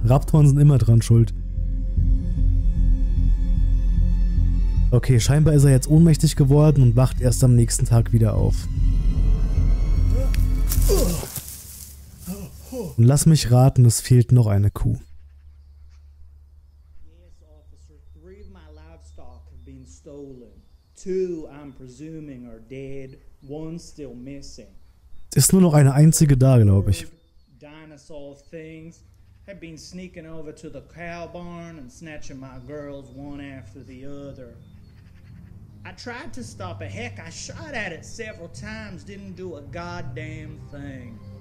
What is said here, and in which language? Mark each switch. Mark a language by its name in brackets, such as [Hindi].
[German] Raptoren sind immer dran schuld. Okay, scheinbar ist er jetzt ohnmächtig geworden und wacht erst am nächsten Tag wieder auf. Und lass mich raten, es fehlt noch eine Kuh. [English] Yes, officer, three of my livestock have been stolen. Two, I'm presuming, are dead. One still missing. [German] Es ist nur noch eine einzige da, glaube ich. [English] Dinosaur things have been sneaking over to the cow barn and snatching my girls one after the other. I tried to stop it. Heck, I shot at it several times. Didn't do a goddamn thing.